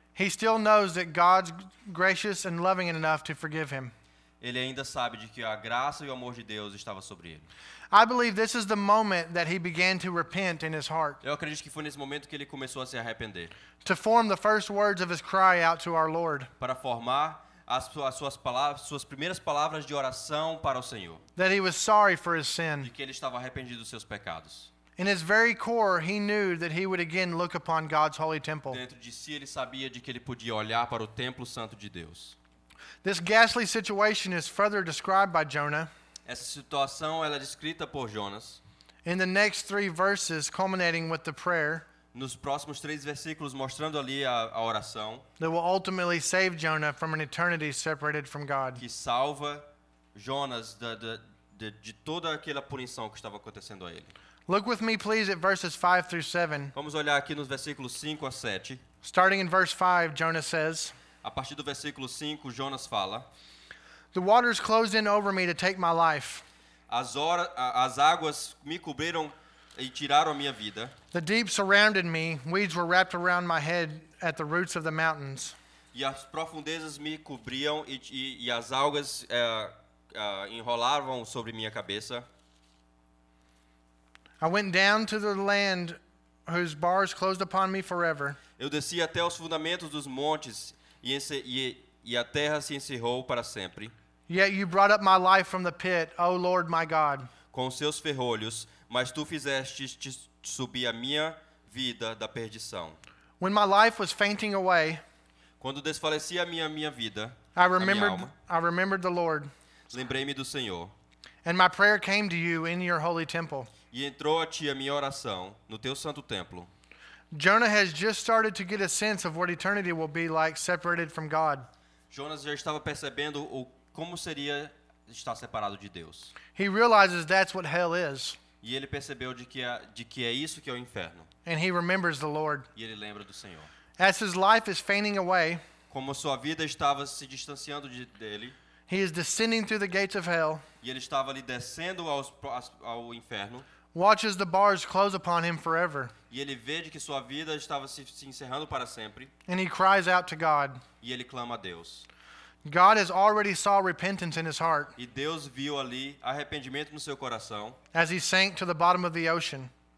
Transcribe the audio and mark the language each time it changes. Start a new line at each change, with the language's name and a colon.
English: He still knows that God's gracious and loving enough to forgive him.
Portuguese: Ele ainda sabe de que a graça e o amor de Deus estava sobre ele.
English: I believe this is the moment that he began to repent in his heart.
Portuguese: Eu acredito que foi nesse momento que ele começou a se arrepender.
English: To form the first words of his cry out to our Lord.
Portuguese: Para formar as suas palavras, suas primeiras palavras de oração para o Senhor.
English: That he was sorry for his sin.
Portuguese: De que ele estava arrependido dos seus pecados.
English: In his very core, he knew that he would again look upon God's holy temple.
Portuguese: Dentro de si, ele sabia de que ele podia olhar para o templo santo de Deus.
English: This ghastly situation is further described by Jonah.
Portuguese: Essa situação ela é descrita por Jonas.
English: In the next three verses, culminating with the prayer.
Portuguese: Nos próximos três versículos, mostrando ali a oração.
English: That will ultimately save Jonah from an eternity separated from God.
Portuguese: Que salva Jonas de toda aquela punição que estava acontecendo a ele.
English: Look with me, please, at verses 5 through 7.
Portuguese: Vamos olhar aqui nos versículos 5 a 7.
English: Starting in verse 5, Jonah says.
Portuguese: A partir do versículo 5, Jonas fala.
English: The waters closed in over me to take my life.
Portuguese: As águas me cobriram e tiraram a minha vida.
English: The deep surrounded me. Weeds were wrapped around my head at the roots of the mountains.
Portuguese: E as profundezas me cobriam e as algas enrolavam sobre minha cabeça.
English: I went down to the land whose bars closed upon me forever.
Portuguese: Eu desci até os fundamentos dos montes e a terra se encerrou para sempre.
English: Yet you brought up my life from the pit, O Lord my God.
Portuguese: Com seus ferrolhos, mas tu fizeste subir a minha vida da perdição.
English: When my life was fainting away,
Portuguese: quando desfalecia a minha vida,
English: I remembered the Lord.
Portuguese: Lembrei-me do Senhor.
English: And my prayer came to you in your holy temple.
Portuguese: E entrou a ti a minha oração no teu santo templo.
English: Jonah has just started to get a sense of what eternity will be like separated from God.
Portuguese: Jonas já estava percebendo como seria estar separado de Deus.
English: He realizes that's what hell is.
Portuguese: E ele percebeu de que é isso que é o inferno.
English: And he remembers the Lord.
Portuguese: E ele lembra do Senhor.
English: As his life is fading away,
Portuguese: como sua vida estava se distanciando dele,
English: he is descending through the gates of hell.
Portuguese: E ele estava ali descendo ao inferno.
English: Watches the bars close upon him forever.
Portuguese: E ele vê de que sua vida estava se encerrando para sempre.
English: And he cries out to God.
Portuguese: E ele clama a Deus.
English: God has already saw repentance in his heart.
Portuguese: E Deus viu ali arrependimento no seu coração.
English: As he sank to the bottom of the ocean.